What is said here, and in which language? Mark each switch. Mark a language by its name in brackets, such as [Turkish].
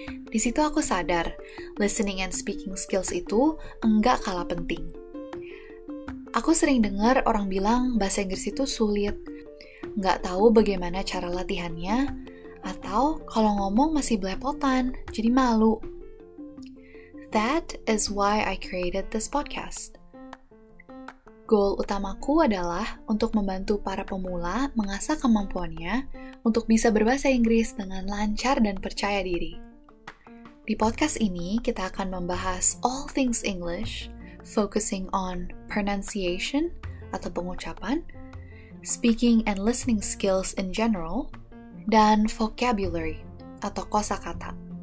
[Indonesian] Di situ aku sadar, listening and speaking skills itu enggak kalah penting. Aku sering dengar orang bilang bahasa Inggris itu sulit, nggak tahu bagaimana cara latihannya, atau kalau ngomong masih belepotan, jadi malu. [English] That is why I created this podcast. [Indonesian] Goal utamaku adalah untuk membantu para pemula mengasah kemampuannya untuk bisa berbahasa Inggris dengan lancar dan percaya diri. Di podcast ini, kita akan membahas [English] all things English, focusing on pronunciation [Indonesian] atau pengucapan, [English] speaking and listening skills in general, [Indonesian] dan vocabulary atau kosakata.